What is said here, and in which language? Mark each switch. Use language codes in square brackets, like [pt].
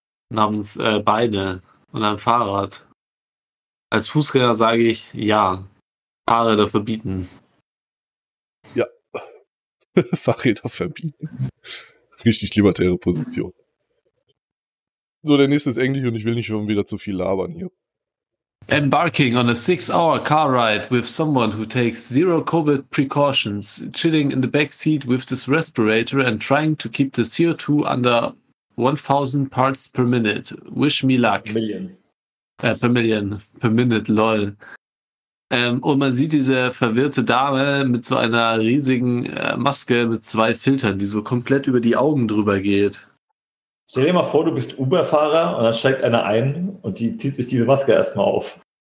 [de] Namens Beine und einem Fahrrad. Als Fußgänger sage ich, ja, Fahrräder verbieten. Fahrräder verbieten. Richtig libertäre Position. So, der nächste ist Englisch und ich will nicht schon wieder zu viel labern hier. [en] Embarking on a 6-hour car ride with someone who takes zero COVID precautions, chilling in the backseat with this respirator and trying to keep the CO2 under 1000 parts per minute. Wish me luck. Per million. Per minute, lol. [de] Und man sieht diese verwirrte Dame mit so einer riesigen Maske mit zwei Filtern, die so komplett über die Augen drüber geht. Stell dir mal vor, du bist Uber-Fahrer und dann steigt einer ein und die zieht sich diese Maske erstmal auf.